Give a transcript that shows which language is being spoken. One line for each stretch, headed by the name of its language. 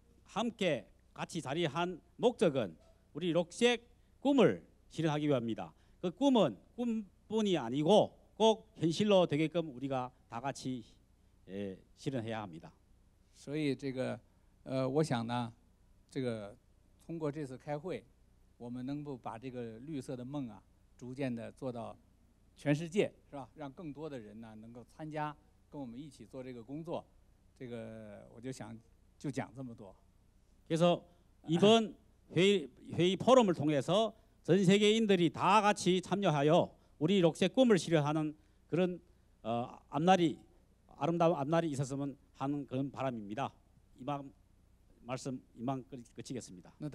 Korean: 함께 같이 자리한 목적은 우리 녹색 꿈을 실현하기 위함입니다. 그 꿈은 꿈뿐이 아니고 꼭 현실로 되게끔 우리가 다 같이 실현해야 합니다.
Chinese: 所以这个我想呢这个通过这次开会我们能够把这个绿色的梦啊逐渐的做到全世界是吧让更多的人呢能够参加跟我们一起做这个工作这个我就想就讲这么多
Korean: 그래서 이번 회의 포럼을 통해서 전 세계인들이 다 같이 참여하여 우리 녹색 꿈을 실현하는 그런 앞날이 아름다운 앞날이 있었으면 하는 그런 바람입니다. 이만 말씀 이만 끝이겠습니다.